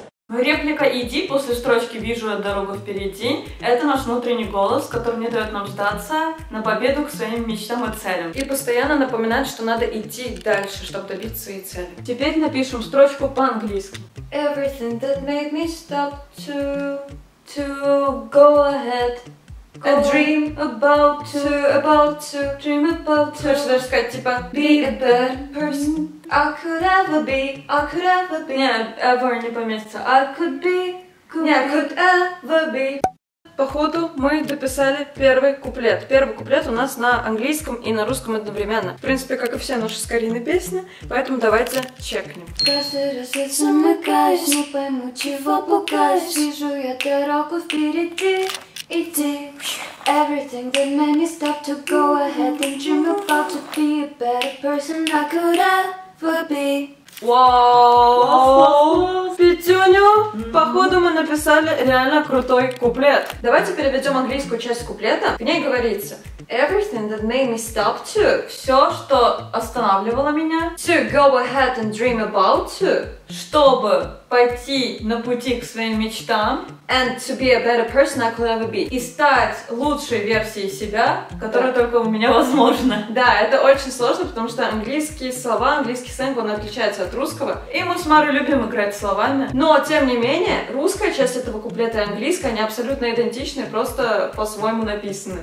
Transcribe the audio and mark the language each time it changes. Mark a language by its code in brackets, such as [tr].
[ru] Реплика «Иди» после строчки «Вижу я дорогу впереди» — это наш внутренний голос, который не дает нам сдаться на победу к своим мечтам и целям. И постоянно напоминает, что надо идти дальше, чтобы добиться своей цели. Теперь напишем строчку по-английски. [en] Everything that made me stop to go ahead. A dream about to dream about to. [ru] Хочешь даже сказать, типа [en] be a better person I could ever be. [ru] Не, ever не поместится. [en] I could ever be. [ru] Походу, мы дописали первый куплет. Первый куплет у нас на английском и на русском одновременно. В принципе, как и все наши с Кариной песни, поэтому давайте чекнем. Каждый раз я замыкаюсь, не пойму, чего пугаюсь. Вижу я дорогу впереди. Иди. [en] Everything that made me stop to go ahead and dream about to be a better person I could ever be. [ru] Вау! Петюню, походу мы написали реально крутой куплет. Давайте переведем английскую часть куплета. В ней говорится [en] Everything that made me stop to. [ru] Все, что останавливало меня. [en] To go ahead and dream about to. [ru] Чтобы пойти на пути к своим мечтам. [en] And to be a better person I could ever be. [ru] И стать лучшей версией себя, которая только у меня возможна. Да, это очень сложно, потому что английские слова, английский сленг, он отличается от русского. И мы с Марой любим играть словами. Но, тем не менее, русская часть этого куплета и английская, они абсолютно идентичны, просто по-своему написаны.